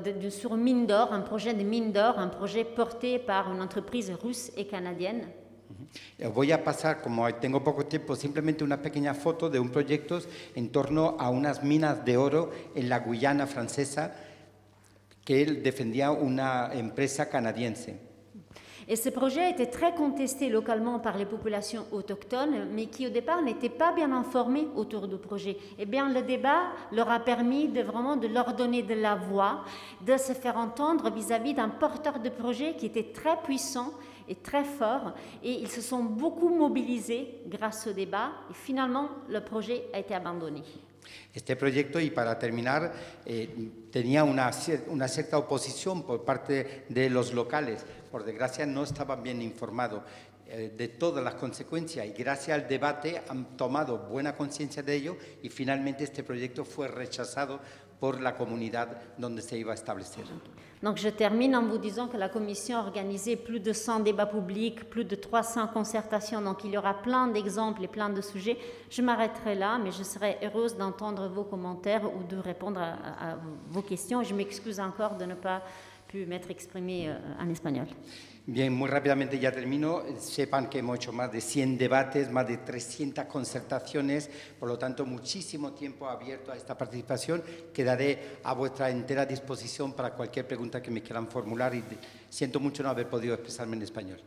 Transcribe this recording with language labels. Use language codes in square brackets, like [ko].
[fr] Sur mine d'or, un projet de mine d'or, un projet porté par une entreprise russe et canadienne. [es] Voy a pasar, como tengo poco tiempo, simplemente una pequeña foto de un proyecto en torno a unas minas de oro en la Guyana francesa que él defendía una empresa canadienne. [fr] Et ce projet était très contesté localement par les populations autochtones, mais qui au départ n'étaient pas bien informées autour du projet. Eh bien, le débat leur a permis de leur donner de la voix, de se faire entendre vis-à-vis d'un porteur de projet qui était très puissant et très fort. Et ils se sont beaucoup mobilisés grâce au débat. Et finalement, le projet a été abandonné. [es] Este proyecto, y para terminar, tenía una cierta oposición por parte de los locales. Por desgracia, no estaban bien informados de todas las consecuencias y gracias al debate han tomado buena conciencia de ello y finalmente este proyecto fue rechazado por la comunidad donde se iba a establecer. [fr] Donc je termine en vous disant que la Commission a organisé plus de 100 débats publics, plus de 300 concertations, donc il y aura plein d'exemples et plein de sujets. Je m'arrêterai là, mais je serai heureuse d'entendre vos commentaires ou de répondre à vos questions. Je m'excuse encore de ne pas pu m'être exprimé en español. [es] Bien, muy rápidamente ya termino. Sepan que hemos hecho más de 100 debates, más de 300 concertaciones, por lo tanto, muchísimo tiempo abierto a esta participación. Quedaré a vuestra entera disposición para cualquier pregunta que me quieran formular y siento mucho no haber podido expresarme en español.